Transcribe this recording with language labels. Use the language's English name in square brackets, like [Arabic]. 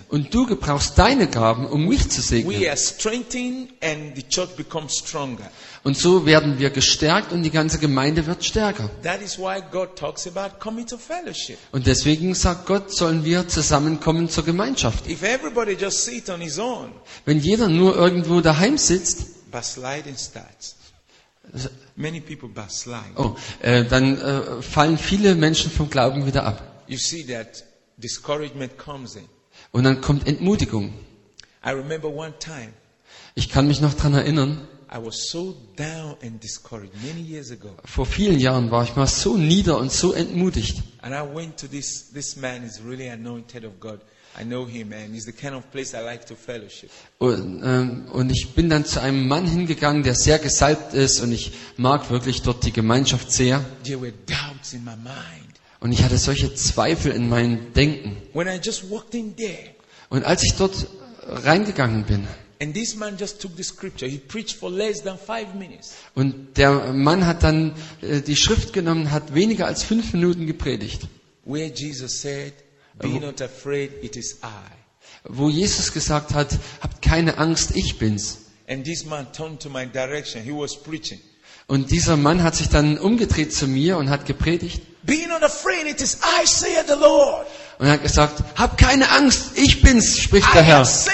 [German] Und du gebrauchst deine Gaben, um mich zu segnen. [English] We are strengthened and the church becomes stronger. [German] Und so werden wir gestärkt und die ganze Gemeinde wird stärker. [English] That is why God talks about coming to fellowship. [German] Und deswegen sagt Gott, sollen wir zusammenkommen zur Gemeinschaft. [English] If everybody just sit on his own, [German] wenn jeder nur irgendwo daheim sitzt, [English] backsliding starts. Many people backslide. [German] Fallen viele Menschen vom Glauben wieder ab. [English] You see that discouragement comes in. [German] Und dann kommt Entmutigung. [English] I remember one time, [German] ich kann mich noch daran erinnern, [English] I was so down and discouraged many years ago. [German] Vor vielen Jahren war ich mal so nieder und so entmutigt. [English] And I went to this man is really anointed of God. I know him, man. He's the kind of place I like to fellowship. [German] Und ich bin dann zu einem Mann hingegangen, der sehr gesalbt ist, und ich mag wirklich dort die Gemeinschaft sehr. [English] There were doubts in my mind. [German] Und ich hatte solche Zweifel in meinem Denken. [English] When I just walked in there. [German] Und als ich dort reingegangen bin. [English] And this man just took the scripture. He preached for less than 5 minutes. [German] Und der Mann hat dann die Schrift genommen, hat weniger als 5 Minuten gepredigt. [English] Where Jesus said, "Be not afraid, it is I." [German] Wo Jesus gesagt hat, habt keine Angst, ich bin's. [English] And this man turned to my direction. He was preaching. [German] Und dieser Mann hat sich dann umgedreht zu mir und hat gepredigt. [English] "Be not afraid, it is I, saith the Lord." [German] Und er hat gesagt, hab keine Angst, ich bin's, spricht der Herr.